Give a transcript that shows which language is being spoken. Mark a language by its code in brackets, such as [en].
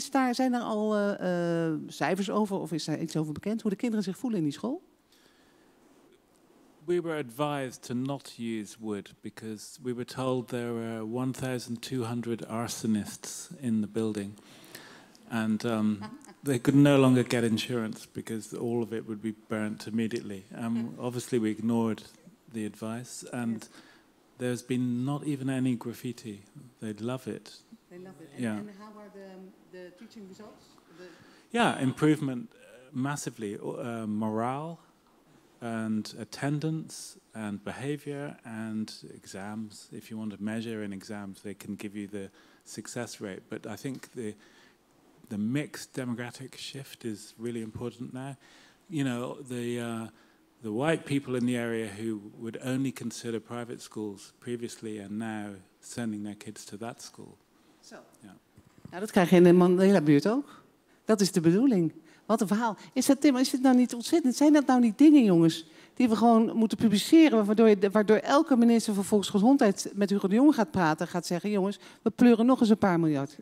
[nl] Zijn er al cijfers over of is daar iets over bekend hoe de kinderen zich voelen in die school? [en] We were advised to not use wood because we were told there were 1,200 arsonists in the building. And they could no longer get insurance because all of it would be burnt immediately. Obviously, we ignored the advice, and there's been not even any graffiti. They love it. They love it. Yeah. And how are the teaching results? Improvement massively. Morale and attendance and behavior and exams. If you want to measure in exams, they can give you the success rate. But I think the mixed demographic shift is really important now. You know, the white people in the area who would only consider private schools previously are now sending their kids to that school. So. Yeah. [nl] Nou, dat krijg je in de Mandela-buurt ook. Dat is de bedoeling. Wat een verhaal. Is dat, Tim, is dit nou niet ontzettend? Zijn dat nou niet dingen, jongens, die we gewoon moeten publiceren, waardoor elke minister van Volksgezondheid met Hugo de Jonge gaat praten, gaat zeggen, jongens, we pleuren nog eens een paar miljard.